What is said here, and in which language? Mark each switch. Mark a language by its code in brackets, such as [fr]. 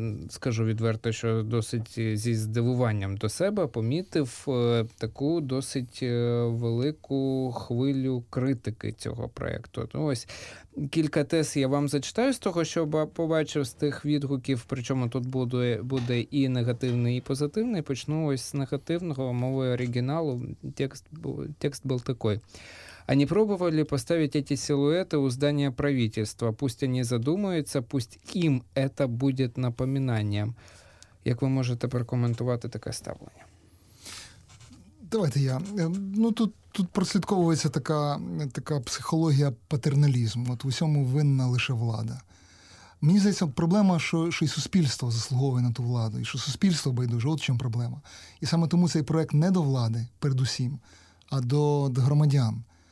[uk] Скажу відверто, що досить зі здивуванням до себе помітив таку досить велику хвилю критики цього проєкту. Ну, ось кілька тез я вам зачитаю з того, що побачив з тих відгуків, причому тут буде і негативний, і позитивний. Почну ось з негативного, мовою оригіналу, текст був такий. [ru] А не пробовали поставить эти силуэты у здания правительства? Пусть они задумаются, пусть им это будет напоминанием. Как вы можете прокомментировать такое ставление? [uk] Давайте я. Ну, тут прослідковується така психологія патерналізму. От в усьому винна лише влада. Мені здається, проблема, що і суспільство заслуговує на ту владу, і що суспільство байдуже. От в чому проблема. І саме тому цей проект не до влади, передусім, а до громадян.